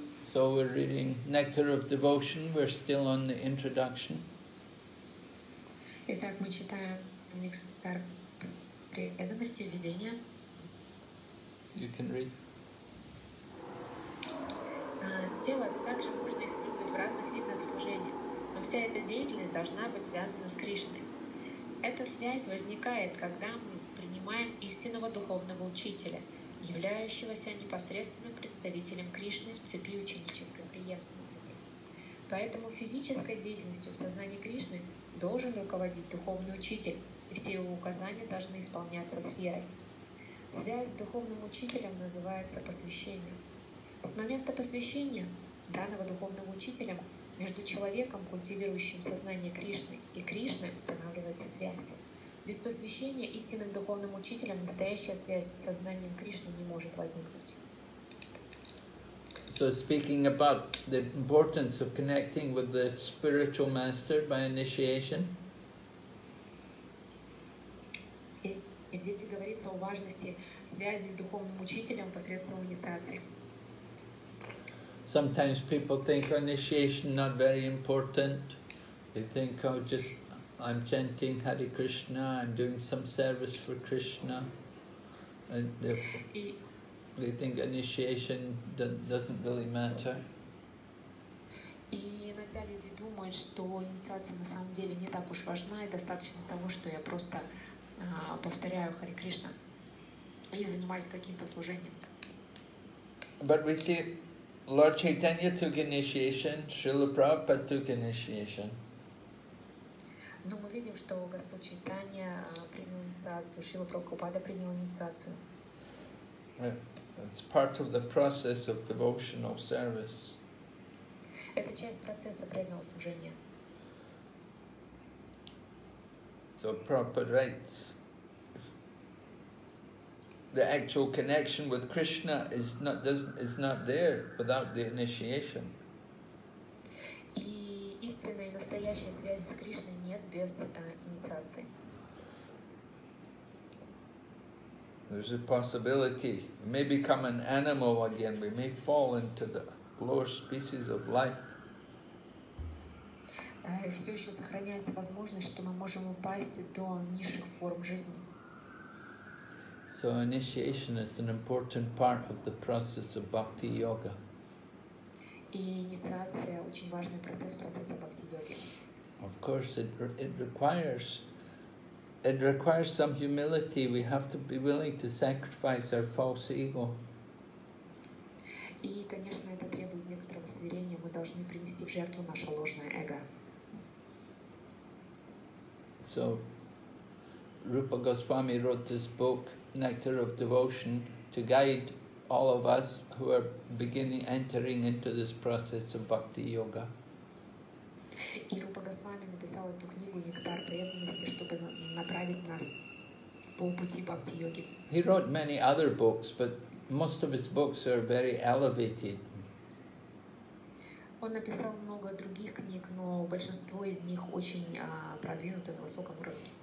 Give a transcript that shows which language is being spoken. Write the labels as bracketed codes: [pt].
[en] So we're reading Nectar of Devotion, we're still on the introduction. [ru] Итак, мы читаем Нектар преданности введения. [en] You can read. [ru] Тело также можно использовать в разных видах служения, но вся эта деятельность должна быть связана с Кришной. Эта связь возникает, когда мы принимаем истинного духовного учителя, являющегося непосредственным представителем Кришны в цепи ученической преемственности. Поэтому физической деятельностью в сознании Кришны должен руководить духовный учитель, и все его указания должны исполняться с верой. Связь с духовным учителем называется посвящением. С момента посвящения, данного духовным учителем, между человеком, культивирующим сознание Кришны, и Кришной устанавливается связь. Без посвящения истинным духовным учителям настоящая связь с сознанием Кришны не может возникнуть. [en] So speaking about the importance of connecting with the spiritual master by initiation. [ru] Здесь говорится о важности связи с духовным учителем посредством инициации. [en] Sometimes people think initiation not very important. They think, oh, just I'm chanting Hare Krishna, I'm doing some service for Krishna. And they think initiation doesn't really matter. [ru] И иногда люди думают, что инициация на самом деле не так уж важна, и достаточно того, что я просто повторяю Хари Кришна и занимаюсь каким-то служением. [en] But we see Lord Chaitanya took initiation, Srila Prabhupada took initiation. [ru] Но мы видим, что Господь Чайтанья принял инициацию, Шрила Прабхупада принял инициацию. [en] It's part of the process of devotional service. [ru] Это часть процесса преданного служения. [en] So Prabhupada writes, the actual connection with Krishna is not there without the initiation. [ru] И истинная настоящая связь с Кришной нет без инициации. [en] There's a possibility. We may become an animal again. We may fall into the lower species of life. [ru] Все еще сохраняется возможность, что мы можем упасть до низших форм жизни. [en] So initiation is an important part of the process of bhakti yoga. [ru] И инициация очень важный процесс бхакти йоги. [en] Of course, it requires some humility. We have to be willing to sacrifice our false ego. [ru] И, конечно, это требует некоторого смирения. Мы должны принести в жертву наше ложное эго. [en] So, Rupa Goswami wrote this book, Nectar of Devotion, to guide all of us who are entering into this process of bhakti yoga. [ru] И Рупа Госвами написал эту книгу «Нектар преданности», чтобы направить нас по пути бхакти йоги. [en] He wrote many other books, but most of his books are very elevated. [ru] Он написал много других книг, но большинство из них очень продвинуты на высоком уровне.